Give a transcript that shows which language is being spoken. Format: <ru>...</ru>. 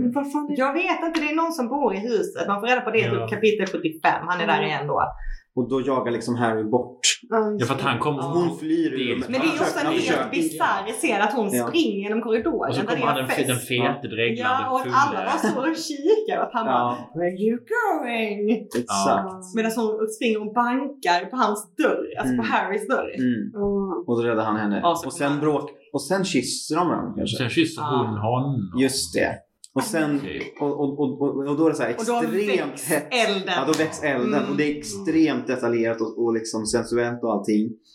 <sv>Men vad fan är... Jag vet inte, det är någon som bor i huset. Man får reda på det i kapitel 75. Han är där igen då. Och då jagar liksom Harry bort. Ja, för att han kommer... Och hon flyr ur. Men det är också en helt bizarr. Jag ser att hon springer genom korridoren. Och så kommer han den fete dreglande fulle. Ja, och alla var så och kikar. Och han bara,</sv> <en>where are you going?</en> <sv>Exakt. Ja. Medan hon springer och bankar på hans dörr. Alltså på Harrys dörr. Mm. Mm. Och då räddar han henne. Och sen bråkar... Och sen kysser de honom kanske. Sen kysser hon honom. Just det. Och sen och då är det så här extremt hett. Elden. Ja, då väcks elden och det är extremt detaljerat och liksom sensuellt och allting.</sv>